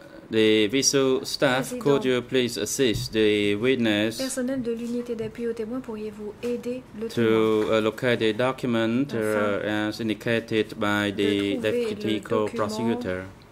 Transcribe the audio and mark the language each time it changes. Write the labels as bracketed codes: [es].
[en] The visa staff, could you please assist the witness? [fr] Personnel de l'unité d'appui au témoin, pourriez-vous aider le témoin? [en] To locate the document as indicated by the deputy co-prosecutor.